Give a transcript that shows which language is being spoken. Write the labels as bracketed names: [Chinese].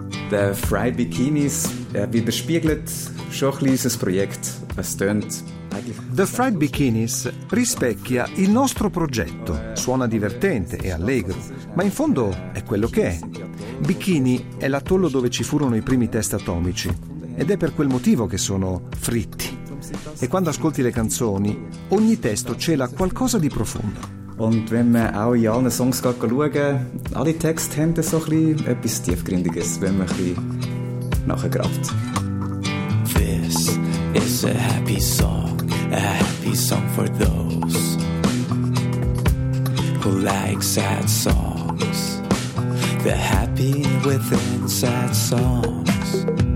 [German] Der Fried Bikinis, er widerspiegelt schon ein bisschen das Projekt. Es tönt. [Italian] The Fried Bikinis rispecchia il nostro progetto, suona divertente e allegro, ma in fondo è quello che è. Bikini è l'atollo dove ci furono i primi test atomici, ed è per quel motivo che sono fritti. E quando ascolti le canzoni, ogni testo cela qualcosa di profondo. [German] Und wenn man auch in allen Songs schaut, alle Texte haben so ein bisschen etwas Tiefgründiges, wenn man ein bisschen nachgrabt. [English] This is a happy song, a happy song for those who like sad songs, the happy within sad songs.